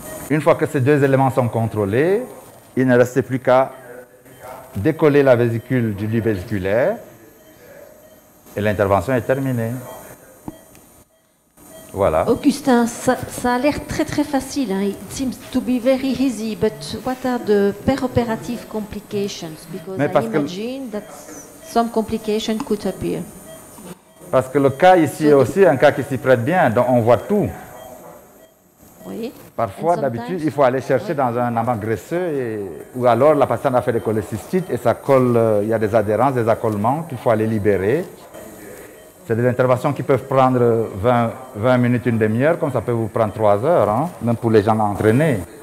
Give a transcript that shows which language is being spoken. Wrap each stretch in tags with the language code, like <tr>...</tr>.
<fr>Une fois que ces deux éléments sont contrôlés, il ne restait plus qu'à décoller la vésicule du lit vésiculaire et l'intervention est terminée. Voilà. Augustin, ça a l'air très très facile. Hein.</fr> <en>It seems to be very easy, but what are the perioperative complications? Because I imagine that some complications could appear.</en> <fr>Parce que le cas ici est aussi un cas qui s'y prête bien, donc on voit tout. Oui. Parfois, d'habitude, il faut aller chercher dans un amas graisseux ou alors la patiente a fait des cholecystites et ça colle. Il y a des adhérences, des accolements qu'il faut aller libérer. C'est des interventions qui peuvent prendre 20 minutes, une demi-heure, comme ça peut vous prendre 3 heures, hein, même pour les gens entraînés.</fr>